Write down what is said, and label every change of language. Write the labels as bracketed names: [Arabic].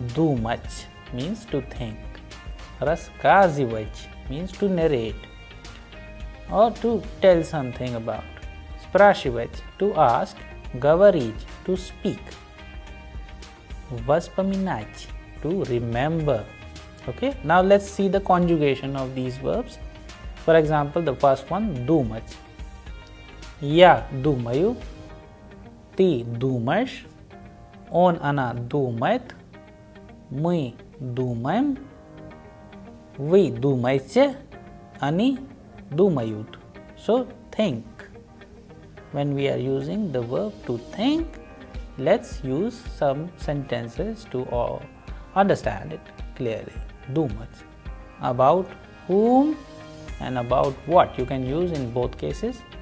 [English] Думать means to think. Рассказывать means to narrate or to tell something about. Спрашивать, to ask. Говорить, to speak. Воспоминать, to remember. Okay, now let's see the conjugation of these verbs. For example, the first one, думать. [Russian] Я думаю, ты думаешь, он, она думает, мы думаем, вы думаете, они думают. [English] So, think. When we are using the verb to think, let's use some sentences to all understand it clearly. [Russian] Думать. [English] About whom and about what, you can use in both cases.